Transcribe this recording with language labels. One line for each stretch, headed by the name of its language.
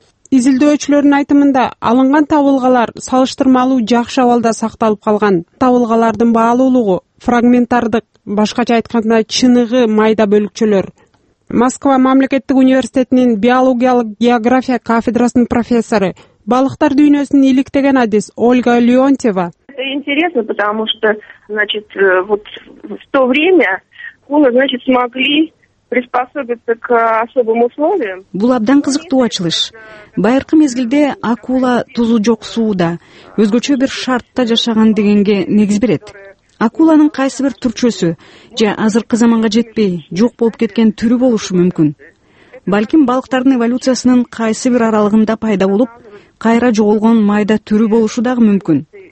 Kyrgyz: Изилдөөчүлөрдүн айтымында алынган табылгалар салыштырмалуу жакшы абалда сакталып калган. Табылгалардын баалуулугу фрагментардык, башкача айтканда чыныгы майда бөлүкчөлөр. Москва мамлекеттик университетинин биологиялык география кафедрасынын профессору, балыктар дүйнөсүн иликтеген адис Ольга Леонтьева.
Russian: Это интересно, потому что, значит, вот в то время акулы, значит, смогли приспособиться к особым условиям.
Kyrgyz: Бул абдан кызыктуу ачылыш. Байыркы мезгилде акула тузу жок сууда, өзгөчө бир шартта жашаган дегенге негиз берет. Акуланын кайсы бир түрчөсү же азыркы заманга жетпей, жок болуп кеткен түрү болушу мүмкүн. Балким балыктардын эволюциясынын кайсы бир аралыгында пайда болуп, кайра жоголгон майда түрү болушу дагы мүмкүн.